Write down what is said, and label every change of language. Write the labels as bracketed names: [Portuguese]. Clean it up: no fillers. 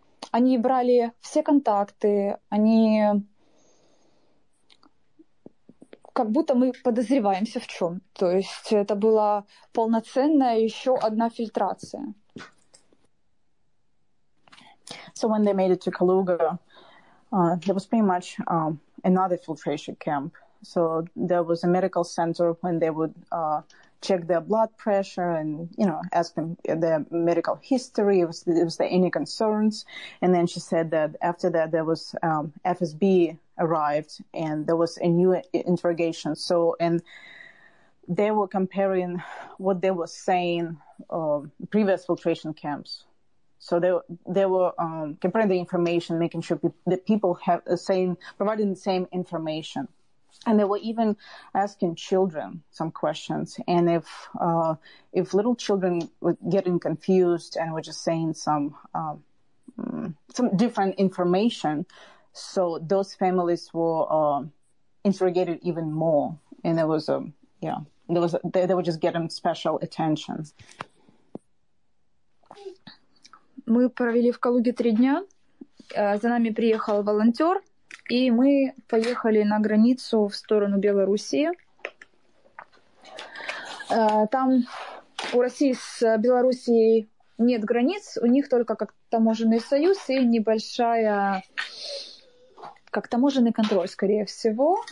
[Russian] Они брали все контакты, они как будто мы подозреваемся в чем. То есть это была полноценная еще одна фильтрация. [English] So when they made it to Kaluga, there was pretty much another filtration camp. So there was a medical center when they would check their blood pressure and, you know, ask them their medical history, was there any concerns. And then she said that after that, there was FSB arrived and there was a new interrogation. So, and they were comparing what they were saying previous filtration camps. So they were comparing the information, making sure the people have the same, providing the same information. And they were even asking children some questions. And if little children were getting confused and were just saying some different information, so those families were interrogated even more. And there was they were just getting special attention. [Russian] Мы провели в Калуге 3 дня. За нами приехал волонтер. И мы поехали на границу в сторону Белоруссии. Там у России с Белоруссией нет границ, у них только как таможенный союз и небольшая, как таможенный контроль, скорее всего.